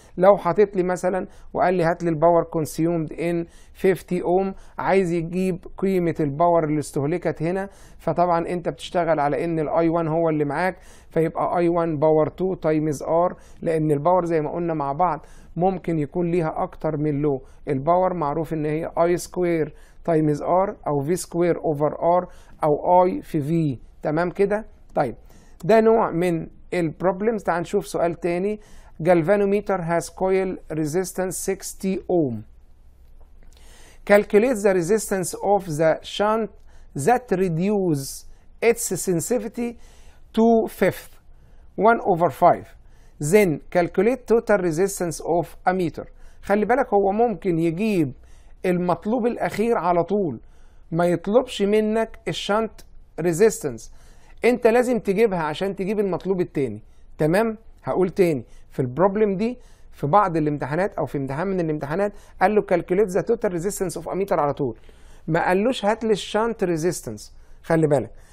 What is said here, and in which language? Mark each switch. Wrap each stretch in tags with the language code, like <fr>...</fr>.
<ar>لو حطيت لي مثلا وقال لي هات لي</ar> <en>الباور consumed in 50 ohm,</en> <ar>عايز يجيب قيمة الباور اللي استهلكت هنا، فطبعا انت بتشتغل على ان ال I1 هو اللي معاك، فيبقى I1 باور 2 تايمز R، لان الباور زي ما قلنا مع بعض ممكن يكون ليها اكتر من لو، الباور معروف ان هي I سكوير تايمز R او V سكوير اوفر R او I في V، تمام كده؟ طيب ده نوع من البروبلمز. تعال نشوف سؤال تاني،</ar> <en>Galvanometer has coil resistance 60 ohm, calculate the resistance of the shunt that reduce its sensitivity to 1/5. Then calculate total resistance of ammeter.</en> <ar>خلي بالك هو ممكن يجيب المطلوب الأخير على طول، ما يطلبش منك الشنت resistance، أنت لازم تجيبها عشان تجيب المطلوب التاني، تمام؟ هقول تاني، في البروبلم دي في بعض الامتحانات او في امتحان من الامتحانات قال له</ar> <en>calculate the total resistance of ammeter</en> <ar>على طول، ما قالوش هات لي الشنت ريزيستنس، خلي بالك.</ar>